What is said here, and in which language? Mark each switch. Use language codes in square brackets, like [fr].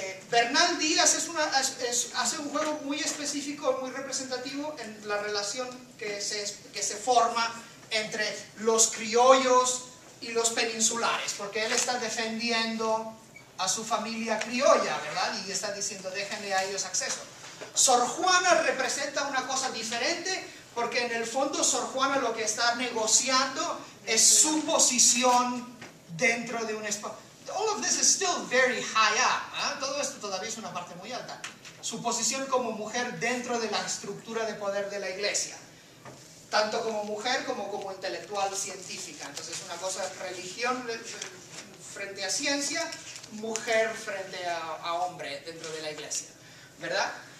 [es] Bernal Díaz es una, hace un juego muy específico, muy representativo en la relación que se forma entre los criollos y los peninsulares, porque él está defendiendo a su familia criolla, ¿verdad? Y está diciendo, déjenle a ellos acceso. Sor Juana representa una cosa diferente, porque en el fondo Sor Juana lo que está negociando es su posición dentro de un espacio. [en] All of this is still very high up, ¿eh? [es] Todo esto todavía es una parte muy alta. Su posición como mujer dentro de la estructura de poder de la iglesia. Tanto como mujer como como intelectual científica. Entonces es una cosa de religión frente a ciencia, mujer frente a hombre dentro de la iglesia, ¿verdad?